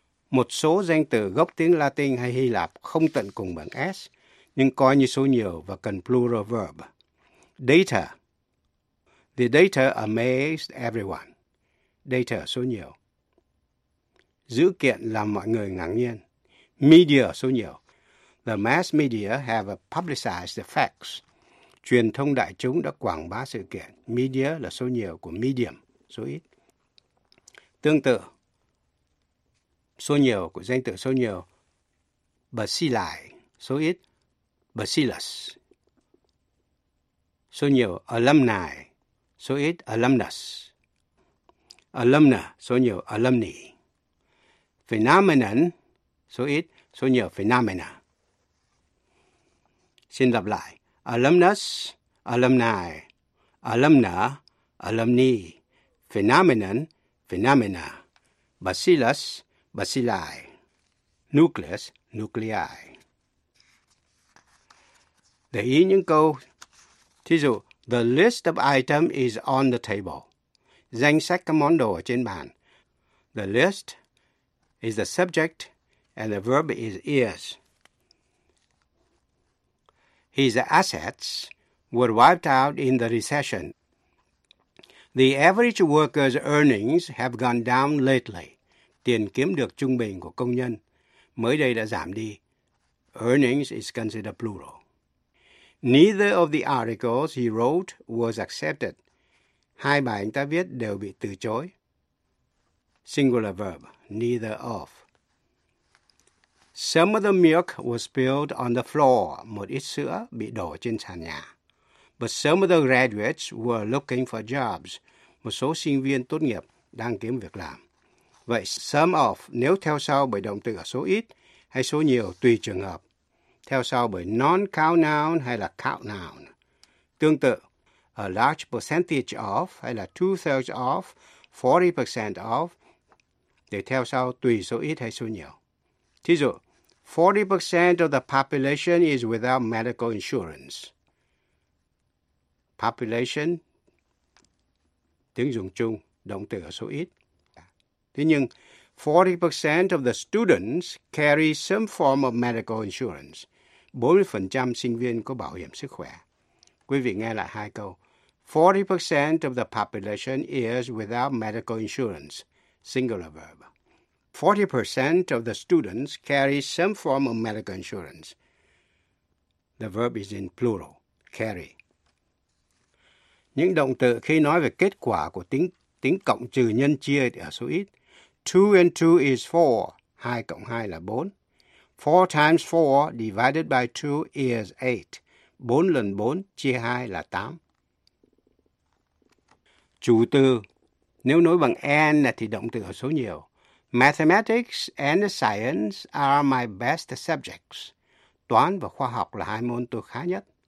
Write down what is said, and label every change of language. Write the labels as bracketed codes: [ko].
[vi] Một số danh từ gốc tiếng Latin hay Hy Lạp không tận cùng bằng S, nhưng coi như số nhiều và cần plural verb. [en] Data, the data amazed everyone. Data, [vi] số nhiều. Dữ kiện làm mọi người ngạc nhiên. Media, số nhiều. [en] The mass media have publicized the facts. [vi] Truyền thông đại chúng đã quảng bá sự kiện. Media là số nhiều của medium, số ít. Tương tự, số nhiều của danh từ số nhiều. Bacilli, số ít. Bacillus. Số nhiều, alumni, số ít. Alumnus. Alumna, số nhiều. Alumni. Phenomenon, số ít. Số nhiều, phenomena. Xin lặp lại. Alumnus, alumni, alumna, alumni, phenomenon, phenomena, bacillus, bacilli, nucleus, nuclei. Để ý những câu, thí dụ, [en] the list of items is on the table. [vi] Danh sách các món đồ ở trên bàn. [en] The list is the subject and the verb is is. His assets were wiped out in the recession. The average worker's earnings have gone down lately. [vi] Tiền kiếm được trung bình của công nhân mới đây đã giảm đi. [en] Earnings is considered plural. Neither of the articles he wrote was accepted. [vi] Hai bài anh ta viết đều bị từ chối. [en] Singular verb, neither of. Some of the milk was spilled on the floor. [vi] Một ít sữa bị đổ trên sàn nhà. [en] But some of the graduates were looking for jobs. [vi] Một số sinh viên tốt nghiệp đang kiếm việc làm. Vậy some of nếu theo sau bởi động từ ở số ít hay số nhiều tùy trường hợp. Theo sau bởi non-count noun hay là count noun. Tương tự, a large percentage of hay là two-thirds of, 40% of để theo sau tùy số ít hay số nhiều. Thí dụ, [en] 40% of the population is without medical insurance. [vi] Population, tiếng dùng chung, động từ ở số ít. Thế nhưng [en] 40% of the students carry some form of medical insurance. [vi] 40% sinh viên có bảo hiểm sức khỏe. Quý vị nghe lại hai câu. [en] 40% of the population is without medical insurance. Singular verb. 40% of the students carry some form of medical insurance. The verb is in plural. Carry. [vi] Những động từ khi nói về kết quả của tính cộng trừ nhân chia ở số ít. [en] 2 and 2 is 4. [vi] 2 cộng 2 là 4. [en] 4 times 4 divided by 2 is 8. [vi] 4 lần 4 chia 2 là 8. Chủ từ. Nếu nối bằng and thì động từ ở số nhiều. [en] Mathematics and science are my best subjects. [vi] Toán và khoa học là hai môn tôi khá nhất.